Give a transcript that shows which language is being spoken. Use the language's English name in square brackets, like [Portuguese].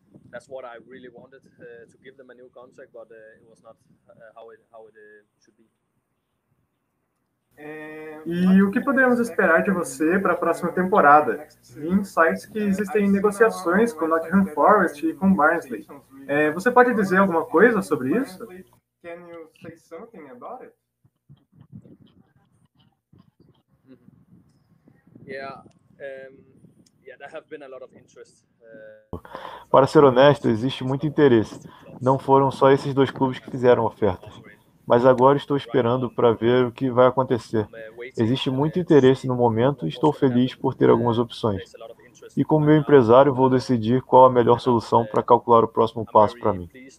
[English] That's what I really wanted to give them a new contract, but it was not how it should be. [Portuguese] E o que podemos esperar de você para a próxima temporada? Vi em sites que existem negociações com Nottingham Forest e com Barnsley. Você pode dizer alguma coisa sobre isso? [English] Can you say something about it? Yeah, there have been a lot of interest. [Portuguese] Para ser honesto, existe muito interesse. Não foram só esses dois clubes que fizeram ofertas. Mas agora estou esperando para ver o que vai acontecer. Existe muito interesse no momento e estou feliz por ter algumas opções. E como meu empresário, vou decidir qual a melhor solução para calcular o próximo passo para mim.